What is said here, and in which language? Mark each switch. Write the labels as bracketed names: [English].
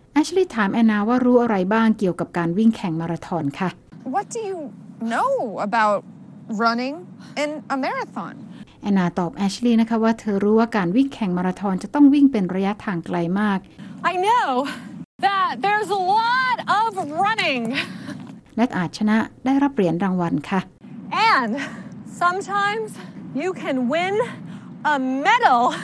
[Thai] Ashley ถามแอนนาว่ารู้อะไรบ้างเกี่ยวกับการวิ่งแข่งมาราธอนค่ะ [English] What do you know about running in a marathon? [Thai] แอนนาตอบแอชลีย์นะคะว่าเธอรู้ว่าการวิ่งแข่งมาราธอนจะต้องวิ่งเป็นระยะทางไกลมาก [English] I know. That there's a lot of running. [Thai] และอาจชนะได้รับเหรียญรางวัลค่ะ [English] And sometimes you can win a medal.